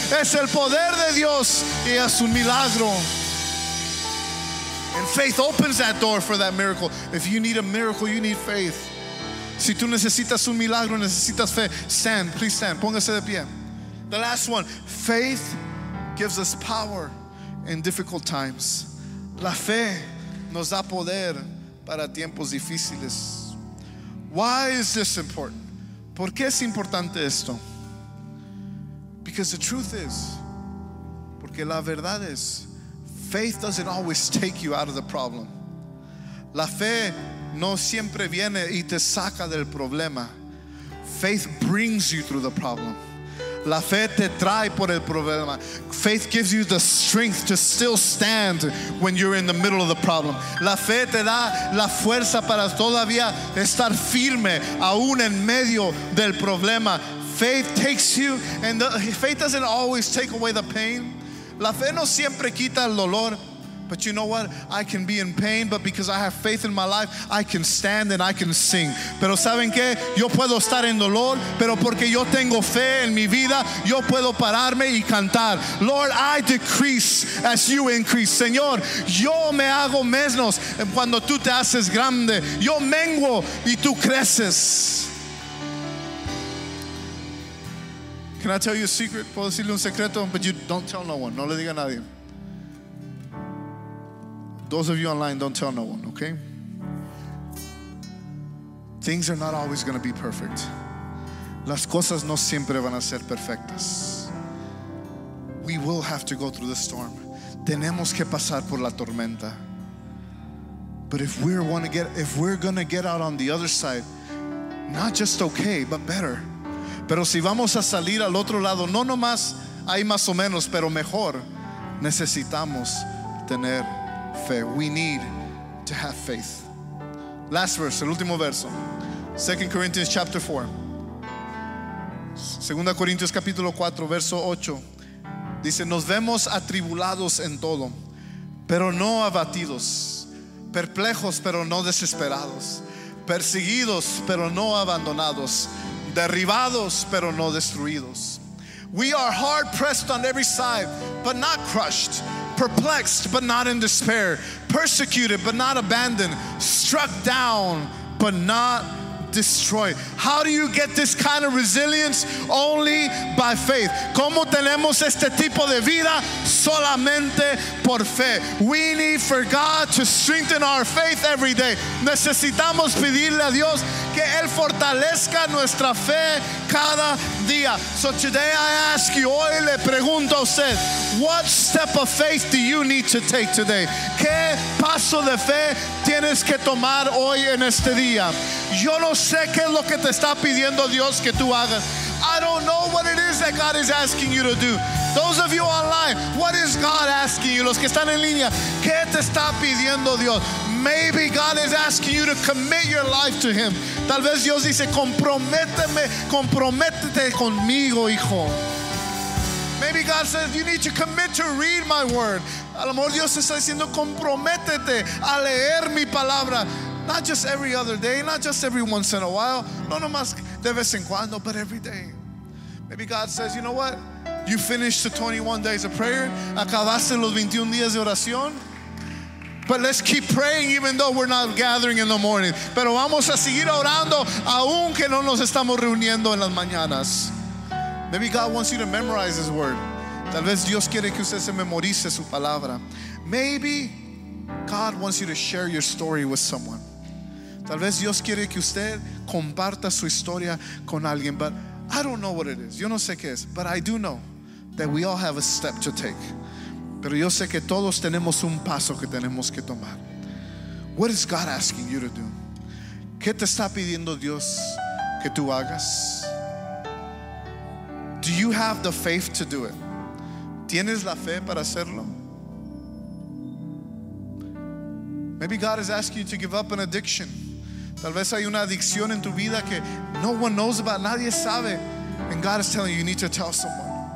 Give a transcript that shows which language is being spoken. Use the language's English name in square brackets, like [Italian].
[Spanish] Es el poder de Dios y es un milagro. [English] And faith opens that door for that miracle. If you need a miracle, you need faith. [Spanish] Si tú necesitas un milagro, necesitas fe. [English] Stand, please stand. [Spanish] Póngase de pie. [English] The last one, faith gives us power in difficult times. [Spanish] La fe nos da poder para tiempos difíciles. [English] Why is this important? [Spanish] ¿Por qué es importante esto? [English] Because the truth is, [Spanish] porque la verdad es, [English] faith doesn't always take you out of the problem. [Spanish] La fe no siempre viene y te saca del problema. [English] Faith brings you through the problem. [Spanish] La fe te trae por el problema. [English] Faith gives you the strength to still stand when you're in the middle of the problem. [Spanish] La fe te da la fuerza para todavía estar firme aún en medio del problema. [English] Faith takes you, and faith doesn't always take away the pain. [Spanish] La fe no siempre quita el dolor. [English] But you know what? I can be in pain, but because I have faith in my life, I can stand and I can sing. [Spanish] Pero ¿saben qué? Yo puedo estar en dolor, pero porque yo tengo fe en mi vida, yo puedo pararme y cantar. [English] Lord, I decrease as you increase. [Spanish] Señor, yo me hago menos cuando tú te haces grande. Yo menguo y tú creces. [English] Can I tell you a secret? [Spanish] ¿Puedo decirle un secreto? [English] But you don't tell no one. [Spanish] No le diga a nadie. [English] Those of you online, don't tell no one, okay? Things are not always going to be perfect. [Spanish] Las cosas no siempre van a ser perfectas. [English] We will have to go through the storm. [Spanish] Tenemos que pasar por la tormenta. [English] But if we're going to get out on the other side, not just okay, but better. [Spanish] Pero si vamos a salir al otro lado, no nomás hay más o menos, pero mejor, necesitamos tener fe. [English] We need to have faith. Last verse, [Spanish] el último verso. [English] 2 Corinthians chapter 4. [Spanish] 2 Corintios capítulo 4, verso 8. Dice, nos vemos atribulados en todo, pero no abatidos. Perplejos, pero no desesperados. Perseguidos, pero no abandonados. Derribados, pero no destruidos. [English] We are hard pressed on every side, but not crushed. Perplexed, but not in despair. Persecuted, but not abandoned. Struck down, but not destroyed. How do you get this kind of resilience? Only by faith. [Spanish] ¿Cómo tenemos este tipo de vida? Solamente por fe. [English] We need for God to strengthen our faith every day. [Spanish] Necesitamos pedirle a Dios que Él fortalezca nuestra fe cada día. [English] So today I ask you, [Spanish] hoy le pregunto a usted, [English] what step of faith do you need to take today? [Spanish] ¿Qué paso de fe tienes que tomar hoy en este día? Yo no sé qué es lo que te está pidiendo Dios que tú hagas. [English] I don't know what it is that God is asking you to do. Those of you online, what is God asking you? [Spanish] Los que están en línea, ¿qué te está pidiendo Dios? [English] Maybe God is asking you to commit your life to Him. [Spanish] Tal vez Dios dice, comprométeme, comprométete conmigo, hijo. [English] Maybe God says, you need to commit to read my word. [Spanish] A lo mejor Dios está diciendo, comprométete a leer mi palabra. [English] Not just every other day, not just every once in a while. [Spanish] No nomás de vez en cuando, [English] but every day. Maybe God says, you know what? You finished the 21 days of prayer. [Spanish] Acabaste los 21 días de oración. [English] But let's keep praying even though we're not gathering in the morning. [Spanish] Pero vamos a seguir orando aunque no nos estamos reuniendo en las mañanas. [English] Maybe God wants you to memorize His word. [Spanish] Tal vez Dios quiere que usted se memorice su palabra. [English] Maybe God wants you to share your story with someone. [Spanish] Tal vez Dios quiere que usted comparta su historia con alguien. [English] But I don't know what it is. [Spanish] Yo no sé qué es. [English] But I do know that we all have a step to take. [Spanish] Pero yo sé que todos tenemos un paso que tenemos que tomar. [English] What is God asking you to do? [Spanish] ¿Qué te está pidiendo Dios que tú hagas? [English] Do you have the faith to do it? [Spanish] ¿Tienes la fe para hacerlo? [English] Maybe God is asking you to give up an addiction. [Spanish] Tal vez hay una adicción en tu vida que [English] no one knows about, [Spanish] nadie sabe. [English] And God is telling you, you need to tell someone.